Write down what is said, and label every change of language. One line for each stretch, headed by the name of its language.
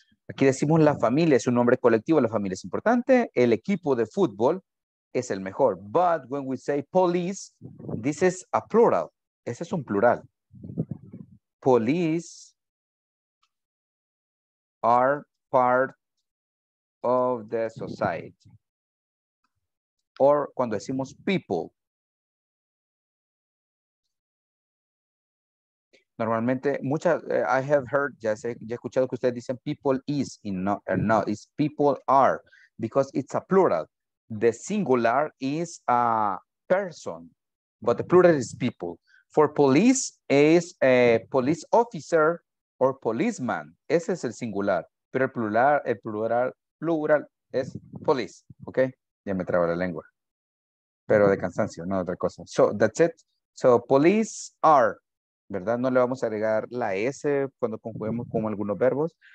Spanish: Aquí decimos la familia es un nombre colectivo, la familia es importante, el equipo de fútbol es el mejor.
English: But when we say police, this is a plural.
Spanish: Ese es un plural.
English: Police are part of the society. Or
Spanish: cuando decimos
English: people, normalmente, I have heard,
Spanish: ya he escuchado que ustedes dicen
English: people is, no, it's people are, because it's a plural. The singular is a person, but the plural is people. For police is a police officer or policeman.
Spanish: Ese es el singular, pero el plural es police, okay? Ya me traba la lengua, pero de cansancio, no otra cosa.
English: So, that's it. So, police are.
Spanish: ¿Verdad? No le vamos a agregar la S cuando conjuguemos con algunos verbos.